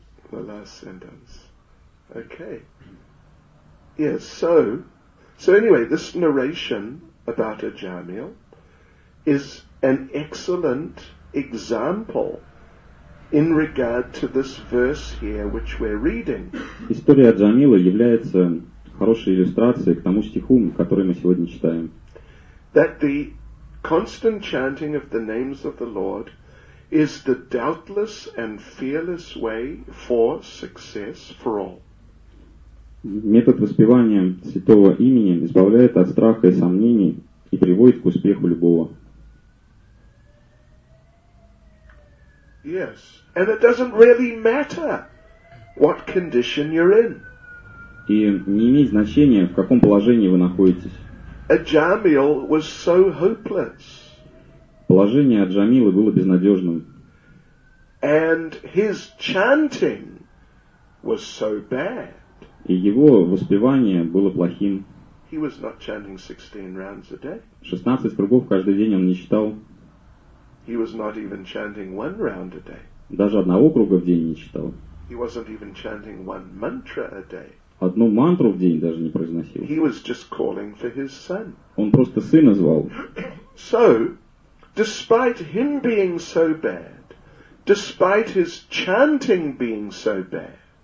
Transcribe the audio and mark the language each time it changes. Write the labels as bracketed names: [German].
[English] The last sentence. Okay. Yes, so anyway, this narration about Аджамил is an excellent example in regard to this verse here, which we're reading. [Russian] История Аджамила является хорошей иллюстрацией к тому стиху, который мы сегодня читаем. [English] that the constant chanting of the names of the Lord is the doubtless and fearless way for success for all. [Russian] Метод воспевания святого имени избавляет от страха и сомнений и приводит к успеху любого. [English] Yes, and it doesn't really matter what condition you're in. [Russian] И не имеет значения, в каком положении вы находитесь. [English] Аджамил was so hopeless. [Russian] Положение Аджамилы было безнадежным. [English] And his chanting was so bad. [Russian] И его воспевание было плохим. [English] He was not chanting 16 rounds a day. [Russian] 16 кругов каждый день он не читал. [English] He was not even chanting one round a day. [Russian] Даже одного круга в день не читал. [English] He wasn't even chanting one mantra a day. [Russian] Одну мантру в день даже не произносил. [English] He was just calling for his son. [Russian] Он просто сына звал. [English] So, despite him being so bad, despite his chanting being so bad,